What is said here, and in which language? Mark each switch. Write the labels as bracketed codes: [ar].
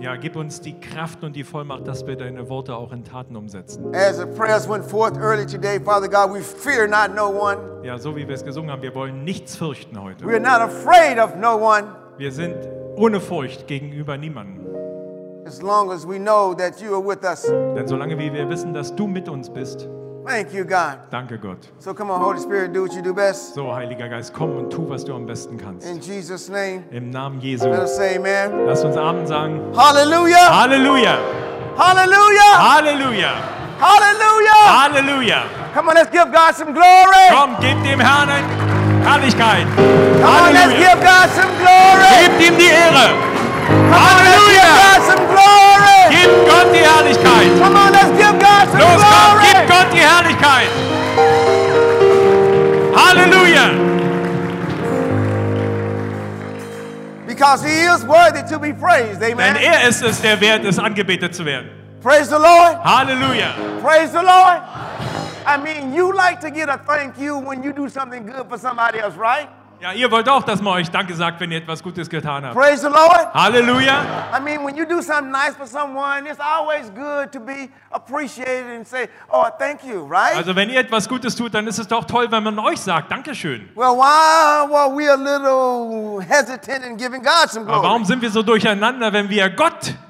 [de] Ja, gib uns die Kraft und die Vollmacht, dass wir deine Worte auch in Taten umsetzen. [en] As the prayers went forth early today, Father God, we fear not no one. [de] Ja, so wie wir es gesungen haben, wir wollen nichts fürchten heute. [en] We are not afraid of no one. [de] Wir sind ohne Furcht gegenüber niemandem. [en] As long as we know that you are with us. [de] Denn solange wie wir wissen, dass du mit uns bist. [en] Thank you, God. [de] Danke, Gott. [en] So come on, Holy Spirit, do what you do best. [de] So, Heiliger Geist, komm und tu, was du am besten kannst. [en] In Jesus' name. [de] Im Namen Jesu. [en] Let us say amen. [de] Lass uns Amen sagen. [en] Hallelujah. Hallelujah. Hallelujah. Hallelujah. Hallelujah. Hallelujah. Come on, let's give God some glory. [de] Komm, gib dem Herrn Herrlichkeit. [en] Come Halleluja. On, let's give God some glory. [de] Gib ihm die Ehre. Halleluja! Gib Gott die Herrlichkeit! [en] Come on, let's give God some [de] Los, [en] glory. [de] Komm, gib Gott die Herrlichkeit! Halleluja! [en] Because he is worthy to be praised, amen. [de] Denn er ist es, der wert ist, angebetet zu werden. [en] Praise the Lord! [de] Halleluja! [en] Praise the Lord! I mean, you like to get a thank you when you do something good for somebody else, right? [de] Ja, ihr wollt auch, dass man euch Danke sagt, wenn ihr etwas Gutes getan habt. [en] Praise the Lord. [de] Halleluja. [en] I mean, when you do something nice for someone, it's always good to be appreciated and say, oh, thank you, right? [de] Also, wenn ihr etwas Gutes tut, dann ist es doch toll, wenn man euch sagt, Dankeschön. [en] Well, why were we a little hesitant in giving God some glory? [de] Aber warum sind wir so durcheinander, wenn wir Gott